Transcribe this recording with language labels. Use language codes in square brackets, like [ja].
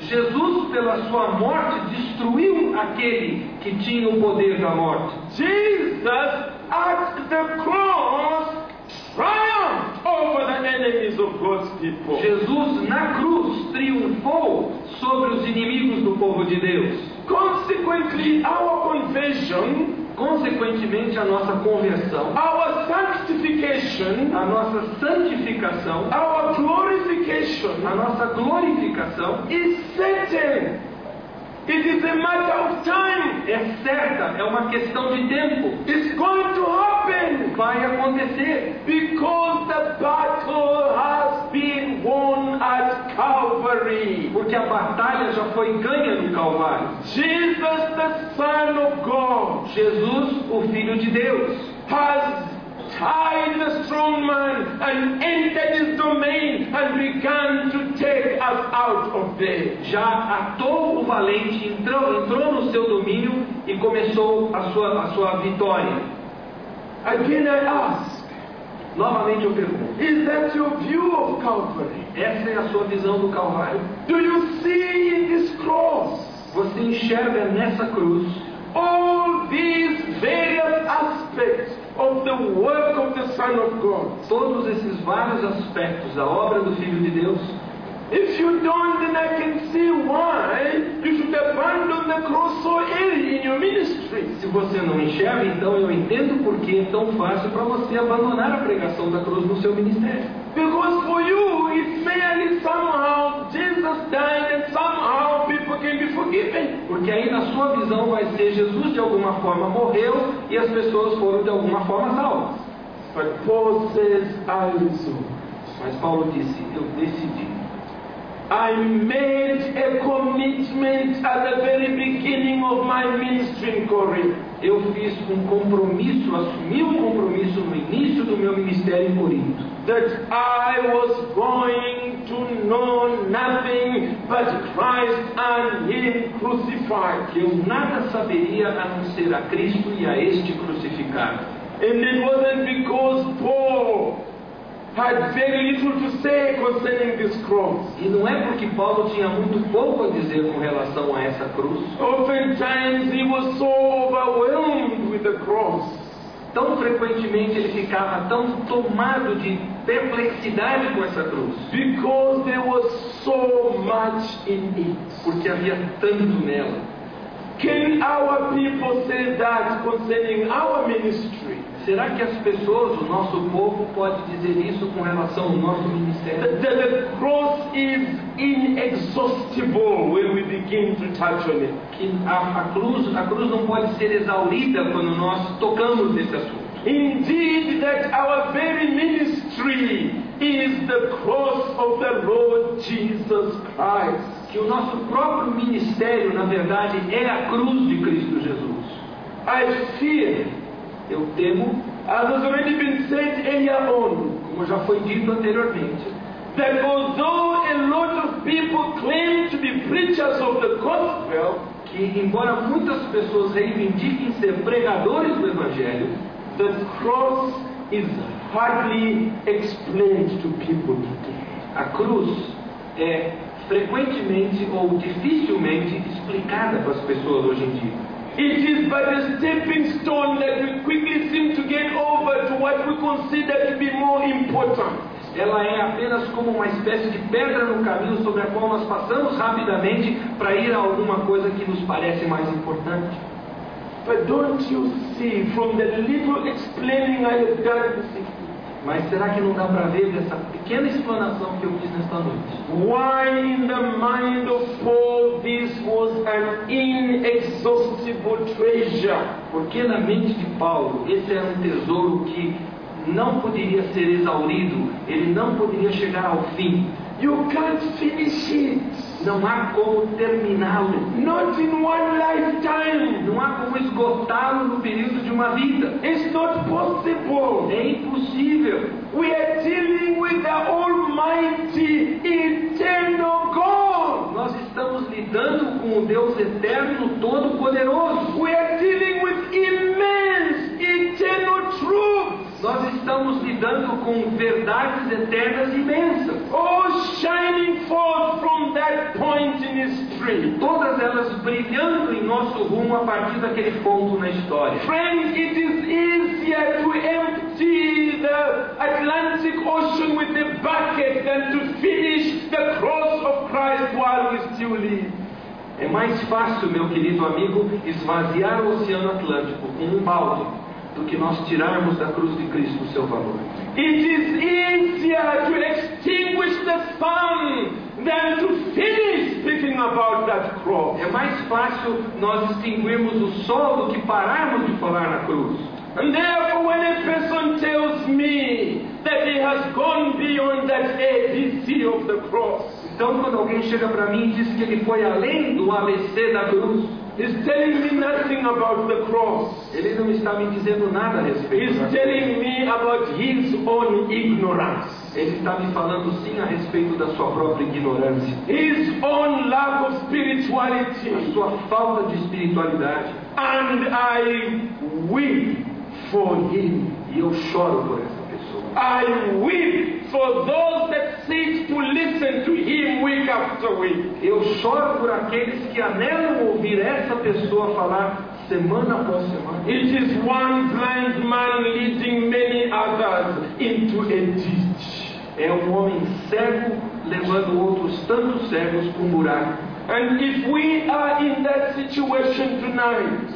[pt] Jesus, pela sua morte, destruiu aquele que tinha o poder da morte. [en] Jesus, at the cross, triumphed over the enemies of God's people. [pt] Jesus, na cruz, triunfou sobre os inimigos do povo de Deus. [en] Consequently, our conversion, [pt] consequentemente, a nossa conversão, [en] our sanctification, [pt] a nossa santificação, [en] our glorification, [pt] a nossa glorificação, [en] is certain. It is a matter of time. [pt] É certa, é uma questão de tempo. [en] It's going to happen. [pt] Vai acontecer. [en] Because the battle has been won at Calvary. [pt] Porque a batalha já foi ganha no Calvário. [en] Jesus, the Son of God. [pt] Jesus, o Filho de Deus. [en] Has tied the strong man and entered his domain and began to take us out of there. [pt] Já atou o valente, entrou no seu domínio e começou a sua vitória. [en] Again I ask, [pt] novamente eu pergunto, [en] is that your view of Calvary? [pt] Essa é a sua visão do Calvário? [en] Do you see in this cross? [pt] Você enxerga nessa cruz [en] all these various aspects of the work of the Son of God? [pt] Todos esses vários aspectos da obra do Filho de Deus. [en] If you don't, then I can see why you should abandon the cross so early in your ministry. [pt] Se você não enxerga, então eu entendo por que é tão fácil para você abandonar a pregação da cruz no seu ministério. [en] Because for you, it merely somehow Jesus died and somehow people can be forgiven. [pt] Porque aí na sua visão vai ser Jesus de alguma forma morreu e as pessoas foram de alguma forma salvas. [en] But Paul says, I resolved. [pt] Mas Paulo disse, eu decidi. [en] I made a commitment at the very beginning of my ministry in Corinth. [pt] Eu fiz um compromisso, assumi um compromisso no início do meu ministério em Corinto. [en] That I was going to know nothing but Christ and Him crucified. [pt] Que eu nada saberia a não ser a Cristo e a este crucificado. [en] And it wasn't because Paul had very little to say concerning this cross. [pt] E não é porque Paulo tinha muito pouco a dizer com relação a essa cruz. [en] Oftentimes he was so overwhelmed with the cross. [pt] Tão frequentemente ele ficava tão tomado de perplexidade com essa cruz. [en] Because there was so much in it. [pt] Porque havia tanto nela. [en] Can our people say that concerning our ministry? [pt] Será que as pessoas, o nosso povo, pode dizer isso com relação ao nosso ministério? [en] The cross is inexhaustible when we begin to touch on it. [pt] Que a cruz não pode ser exaurida quando nós tocamos nesse assunto. [en] Indeed, that our very ministry is the cross of the Lord Jesus Christ. [pt] Que o nosso próprio ministério, na verdade, é a cruz de Cristo Jesus. [en] I fear. [pt] Eu temo, [en] as has already been said earlier on, [pt] como já foi dito anteriormente, [en] that although a lot of people claim to be preachers of the gospel, [pt] que embora muitas pessoas reivindiquem ser pregadores do evangelho, [en] the cross is hardly explained to people today. [pt] A cruz é frequentemente ou dificilmente explicada para as pessoas hoje em dia. [en] It is but a stepping stone that we quickly seem to get over to what we consider to be more important. [pt] Ela é apenas como uma espécie de pedra no caminho sobre a qual nós passamos rapidamente para ir a alguma coisa que nos parece mais importante. [en] But don't you see from the little explaining I have done this evening? [pt] Mas será que não dá para ver dessa pequena explanação que eu fiz nesta noite? [en] Why in the mind of Paul this was an inexhaustible treasure? [pt] Porque na mente de Paulo esse era um tesouro que não poderia ser exaurido, ele não poderia chegar ao fim. [en] You can't finish it. [pt] Não há como terminá-lo. [en] Not in one lifetime. [pt] Não há como esgotá-lo no período de uma vida. [en] It's not possible. [pt] É impossível. [en] We are dealing with the Almighty Eternal God. [pt] Nós estamos lidando com o Deus Eterno Todo-Poderoso. [en] We are dealing with immense eternal truths. [pt] Nós estamos lidando com verdades eternas imensas. [en] Oh, shining forth from pointing straight. [pt] Todas elas brilhando em nosso rumo a partir daquele ponto na história. [en] Friends, it is easier to empty the Atlantic Ocean with the bucket than to finish the cross of Christ while we still live. [pt] É mais fácil, meu querido amigo, esvaziar o Oceano Atlântico com um balde do que nós tirarmos da cruz de Cristo o seu valor. [en] It is easier to extinguish the sun than to finish speaking about that cross. [pt] É mais fácil nós extinguirmos o sol do que pararmos de falar na cruz. [en] And therefore, when a person tells me that he has gone beyond that ABC of the cross, [pt] então quando alguém chega para mim e diz que ele foi além do ABC da cruz, [en] he's telling me nothing about the cross. [pt] Ele não está me dizendo nada a respeito. [en] He's telling me about his own ignorance. [pt] Ele está me falando sim a respeito da sua própria ignorância. [en] His own lack of spirituality. [pt] A sua falta de espiritualidade. [en] And I weep for him. [pt] E eu choro por essa pessoa. [en] I weep for those that seek to listen to him week after week. [pt] Eu choro por aqueles que anelam ouvir essa pessoa falar semana após semana. [en] It is one blind man leading many others into a ditch. [pt] É um homem cego levando outros tantos cegos para um buraco. [en] And if we are in that situation tonight,